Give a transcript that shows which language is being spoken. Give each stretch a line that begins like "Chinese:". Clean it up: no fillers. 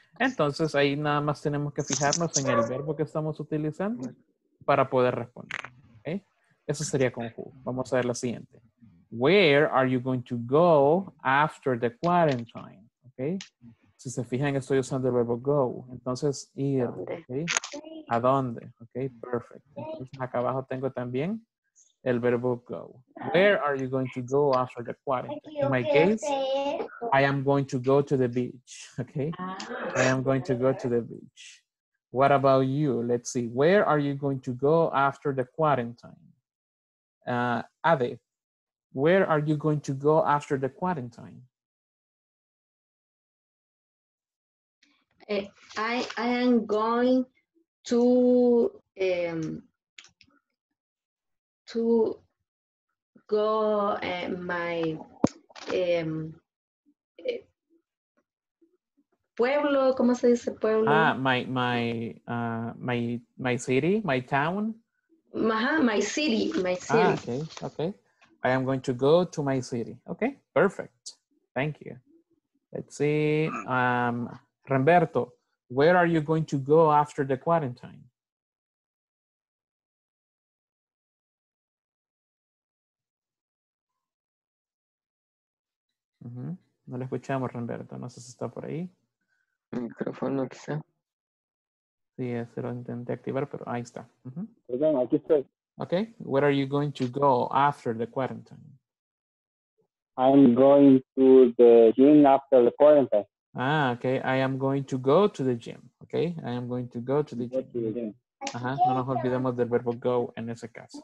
Spanish: Entonces, ahí nada más tenemos que fijarnos en el verbo que estamos utilizando para poder responder. Okay. Eso sería con who. Vamos a ver la siguiente.
English: Where are you going to go after the quarantine? Okay.
Spanish: Si se fijan, estoy usando el verbo go. Entonces, ir. Okay. ¿A dónde?
English: Ok, perfect.
Spanish: Entonces, acá abajo tengo también el verbo go.
English: Where are you going to go after the quarantine? In my case, I am going to go to the beach. Ok, I am going to go to the beach. What about you? Let's see. Where are you going to go after the quarantine? Ade, where are you going to go after the quarantine? I am going to go my pueblo,
Spanish: ¿cómo se dice pueblo?
English: Ah, my city, my town. My city. Ah, okay. I am going to go to my city. Okay, perfect. Thank you. Let's see. Remberto, where are you going to go after the quarantine?
Spanish: No le escuchamos, Remberto. No sé si está por ahí. Micrófono, quizá. Sí, se lo intenté activar, pero ahí está. Perdón, aquí estoy.
English: Okay, where are you going to go after the quarantine? I'm going to the gym after the quarantine. Ah, okay. I am going to go to the gym. Okay. I am going to go to the gym.
Spanish: No nos olvidemos del verbo go en ese caso.